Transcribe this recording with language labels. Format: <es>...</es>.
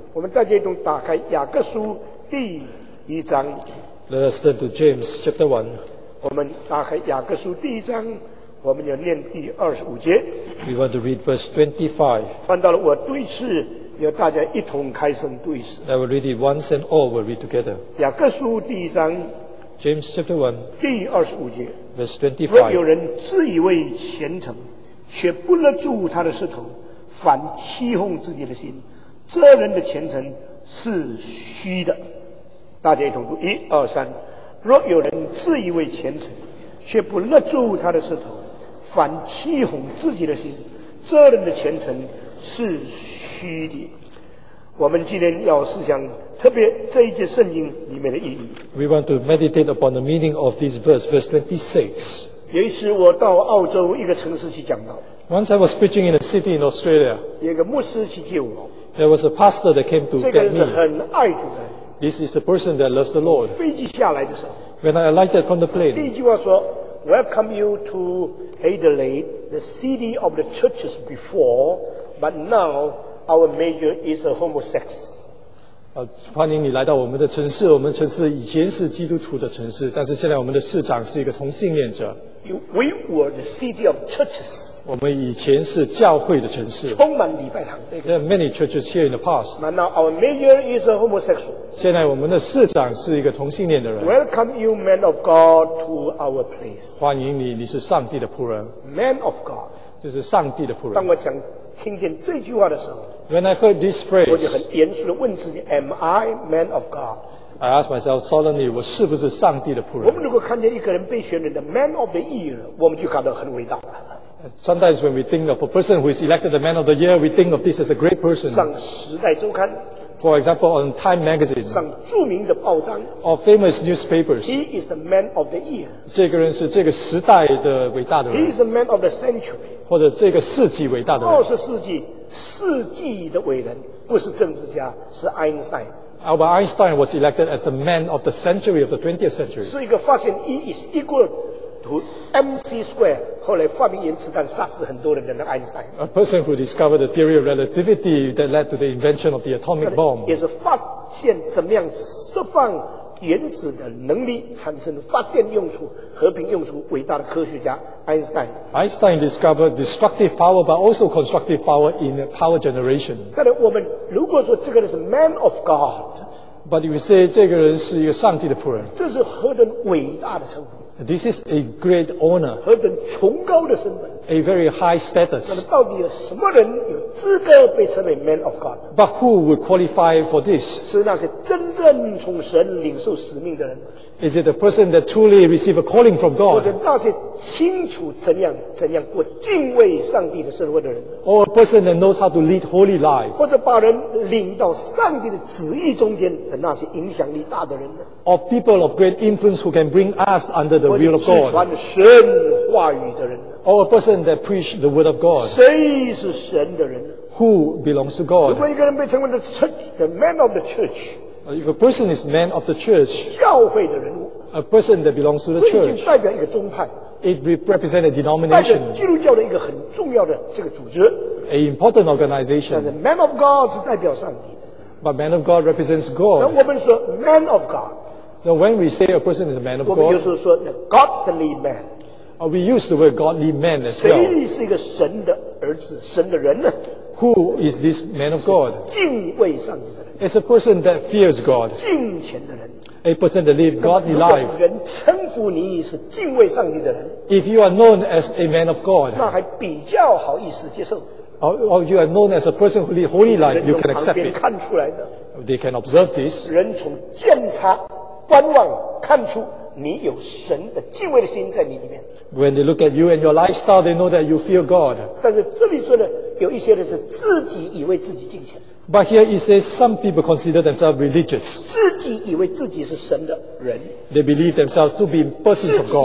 <zh>我们大家一同打开雅各书第一章。</zh> <en>Let us turn to James chapter one。</en> <zh>我们打开雅各书第一章，我们要念第二十五节。</zh> <en>We want to read verse 25。</en> <zh>翻到了我对视，要大家一同开声对视。</zh> <en>I will read it once and all will read together。</en> <zh>雅各书第一章。</zh> <en>James chapter one。</en> <zh>第二十五节。</zh> <en>Verse 25。</en> <zh>若有人自以为虔诚，却不勒住他的舌头，反欺哄自己的心，这人的虔诚是虚的。大家一同读一二三。若有人自以为虔诚，却不勒住他的舌头，反欺哄自己的心，这人的虔诚是虚的。我们今天要思想特别这一节圣经里面的意义。</zh> <en>We want to meditate upon the meaning of this verse, verse 26.</en> <zh>有一次我到澳洲一个城市去讲道。</zh> <en>Once I was preaching in a city in Australia.</en> <zh>有一个牧师去接我。</zh> <en>There was a pastor that came to get me.</en> <zh>这个人是很爱主的。</zh> <en>This is a person that loves the Lord.</en> <zh>飞机下来的时候。</zh> <en>When I alighted from the plane.</en> <zh>第一句话说</zh> <en>,Welcome you to Adelaide, the city of the churches before, but now our major is a homosex.</en> <zh>欢迎你来到我们的城市，我们城市以前是基督徒的城市，但是现在我们的市长是一个同性恋者。</zh> <en>We were the city of churches.</en> <zh>我们以前是教会的城市，充满礼拜堂。</zh> <en>There are many churches here in the past. But now our mayor is a homosexual.</en> <zh>现在我们的市长是一个同性恋的人。</zh> <en>Welcome you, man of God, to our place.</en> <zh>欢迎你，你是上帝的仆人。</zh> <en>Man of God.</en> <zh>就是上帝的仆人。当我讲听见这句话的时候</zh> <en>，When I heard this phrase,</en> <zh>我就很严肃地问自己 ，</zh> <en>Am I man of God? I ask myself solemnly,</en> <zh>我是不是上帝的仆人？我们如果看见一个人被选人的</zh> <en>man of the year,</en> <zh>我们就感到很伟大了。</zh> <en>Sometimes when we think of a person who is elected the man of the year, we think of this as a great person.</en> <zh>上《时代周刊》</zh> <en>For example, on Time Magazine.</en> <zh>上著名的报章</zh> <en>Or famous newspapers. He is the man of the year.</en> <zh>这个人是这个时代的伟大的人。</zh> <en>He is the man of the century.</en> <zh>或者这个世纪伟大的人。二十世纪，世纪的伟人，不是政治家，是爱因斯坦。</zh> <en>Albert Einstein was elected as the man of the century of the 20th century.</en> <zh>是一个发现</zh> <en>E is equal to MC square,</en> <zh>后来发明原子弹杀死很多人的那个 Einstein.</zh> <en>A person who discovered the theory of relativity that led to the invention of the atomic bomb.</en> <zh>也是发现怎么样释放原子的能力产生发电用处、和平用处，伟大的科学家 Einstein.</zh> <en>Einstein discovered destructive power, but also constructive power in power generation.</en> <zh>但是我们如果说这个人是</zh> <en>man of God, but if you say</en> <zh>这个人是一个上帝的仆人，这是何等伟大的称呼！</zh> <en>This is a great honor.</en> <zh>何等崇高的身份</zh> <en>！A very high status.</en> <zh>那么到底有什么人有资格被称为</zh> <en>man of God？ But who would qualify for this？</en> <zh>是那些真正从神领受使命的人。</zh> <en>Is it a person that truly receive a calling from God？</en> <zh>或者那些清楚怎样过敬畏上帝的生活的人</zh> <en>？Or a person that knows how to lead holy life？</en> <zh>或者把人领到上帝的旨意中间的那些影响力大的人呢</zh> <en>？Or people of great influence who can bring us under the will of God？</en> <zh>或者是传神话语的人</zh> <en>？Or a person that preach the word of God？</en> <zh>谁是神的人</zh> <en>？Who belongs to God？</en> <zh>如果一个人被称为</zh> <en>the man of the church。 If a person is man of the church,</en> <zh>教会的人物</zh> <en>a person that belongs to the church,</en> <zh>这已经代表一个宗派</zh> <en>it represents a denomination,</en> <zh>代表基督教的一个很重要的这个组织</zh> <en>a important organization.</en> <zh>但是</zh> <en>man of God</en> <zh>是代表上帝的</zh> <en>but man of God represents God.</en> <zh>那我们说</zh> <en>man of God, now when we say a person is a man of God,</en> <zh>我们有时候说</zh> <en>the godly man, or we use the word godly man as well.</en> <zh>谁是一个神的儿子，神的人呢？</zh> <en>Who is this man of God?</en> <zh>敬畏上帝的。</zh> <en>It's a person that fears God.</en> <zh>敬虔的人。</zh> <en>A person that lives godly life.</en> <zh>人称呼你是敬畏上帝的人。</zh> <en>If you are known as a man of God,</en> <zh>那还比较好意思接受。</zh> <en>Or you are known as a person who lives holy life, you can accept it.</en> <zh>人从旁边看出来的。</zh> <en>They can observe this.</en> <zh>人从监察、观望看出你有神的敬畏的心在你里面。</zh> <en>When they look at you and your lifestyle, they know that you fear God.</en> <zh>但是这里说的有一些人是自己以为自己敬虔。</zh> <en>But here it says some people consider themselves religious.</en> <zh>自己以为自己是神的人。</zh> <en>They believe themselves to be persons of God.</en>